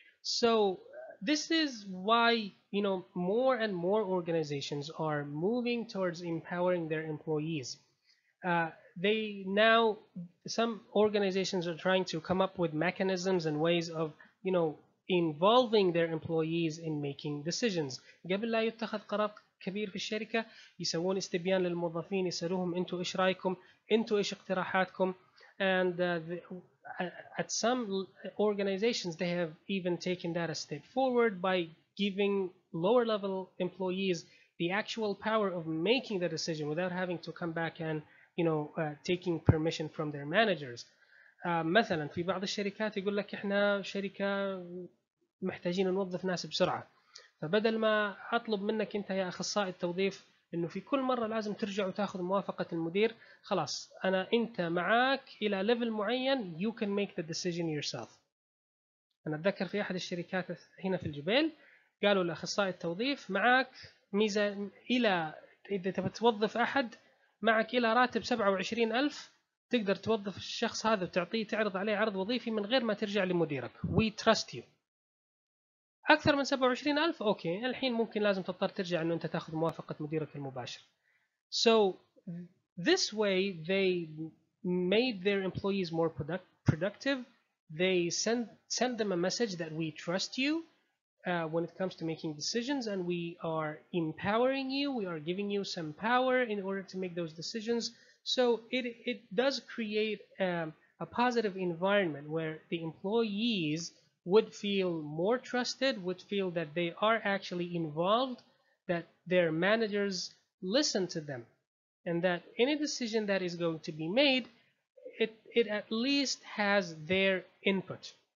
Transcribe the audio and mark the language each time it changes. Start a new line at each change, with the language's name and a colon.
English: So this is why, you know, more and more organizations are moving towards empowering their employees. They now, some organizations are trying to come up with mechanisms and ways of, you know, involving their employees in making decisions.
Arabic: قبل لا يتخذ قرار كبير في الشركة يسوون استبيان للموظفين يسألوهم انتو ايش رايكم انتو ايش اقتراحاتكم.
English: And at some organizations they have even taken that a step forward by giving lower level employees the actual power of making the decision without having to come back and, you know, taking permission from their managers.
Arabic: مثلا في بعض الشركات يقول لك احنا شركة محتاجين نوظف ناس بسرعة, فبدل ما اطلب منك انت يا اخصائي التوظيف انه في كل مرة لازم ترجع وتاخذ موافقة المدير, خلاص انا انت معاك الى ليفل معين,
English: you can make the decision yourself.
Arabic: انا اتذكر في احد الشركات هنا في الجبيل قالوا لاخصائي التوظيف معاك ميزة الى إذا تبي توظف أحد معك إلى راتب 27,000 تقدر توظف الشخص هذا وتعطيه تعرض عليه عرض وظيفي من غير ما ترجع لمديرك.
English: We trust you.
Arabic: أكثر من 27,000 أوكي الحين ممكن لازم تضطر ترجع إنه أنت تأخذ موافقة مديرك المباشر.
English: So this way they made their employees more productive. They send them a message that we trust you when it comes to making decisions, and we are empowering you. We are giving you some power in order to make those decisions. So it does create a positive environment where the employees would feel more trusted, would feel that they are actually involved, that their managers listen to them, and that any decision that is going to be made, it at least has their input.